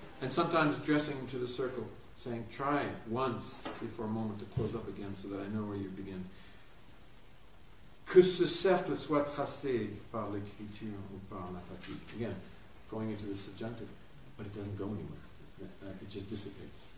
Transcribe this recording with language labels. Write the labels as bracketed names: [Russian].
[English] And sometimes dressing to the circle, saying, try once, if for a moment, to close up again so that I know where you begin. [French] Que ce cercle soit tracé par l'écriture ou par la fatigue. [English] Again, going into the subjunctive, but it doesn't go anywhere. It just dissipates.